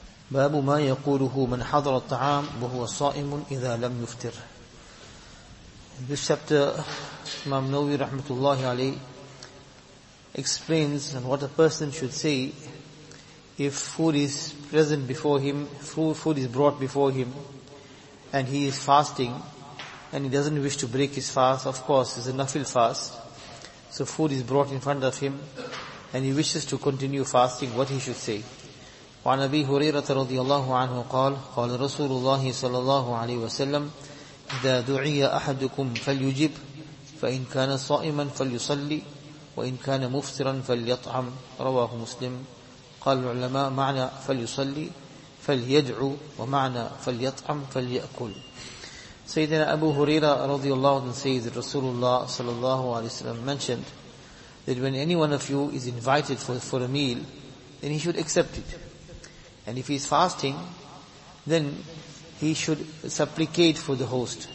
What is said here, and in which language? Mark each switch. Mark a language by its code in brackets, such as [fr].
[ar] باب ما يقوله من حضر الطعام وهو صائم إذا لم يفطر. [en] This chapter, Imam Nawawi rahmatullah alayh explains on what a person should say if food is present before him, food is brought before him, and he is fasting, and he doesn't wish to break his fast. Of course, it's a nafil fast. So food is brought in front of him and he wishes to continue fasting, what he should say. [ar] وعن أبي هريرة رضي الله عنه قال قال رسول الله صلى الله عليه وسلم إذا دعي أحدكم فليجب فإن كان صائما فليصلي وإن كان مفطرا فليطعم. رواه مسلم. قال العلماء معنى فليصلي فليدعو ومعنى فليطعم فليأكل. [en] Sayyidina Abu Huraira radiallahu anhu says that Rasulullah sallallahu alayhi wa sallam mentioned that when any one of you is invited for a meal, then he should accept it. And if he is fasting, then he should supplicate for the host.